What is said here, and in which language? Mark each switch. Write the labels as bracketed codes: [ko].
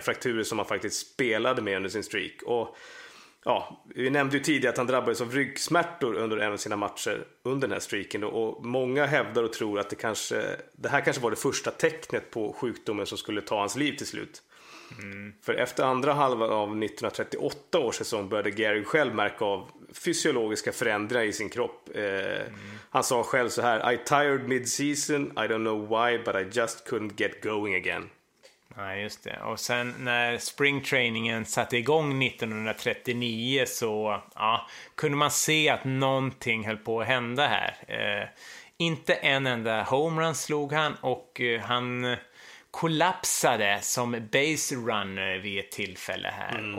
[sv] Frakturer som han faktiskt spelade med under sin streak. Och ja, vi nämnde ju tidigare att han drabbades av ryggsmärtor under en av sina matcher under den här streaken. Och många hävdar och tror att det här kanske var det första tecknet på sjukdomen som skulle ta hans liv till slut. Mm. För efter andra halvan av 1938 års säsong började Gehrig själv märka av fysiologiska förändringar i sin kropp. Han sa själv så här: [en] I tired mid-season, I don't know why, but I just couldn't get going again. [sv] Ja, just det. Och sen när springtrainingen satte igång 1939 så ja, kunde man se att någonting höll på att hända här. Inte en enda homerun slog han och han kollapsade som base runner vid ett tillfälle här. Mm.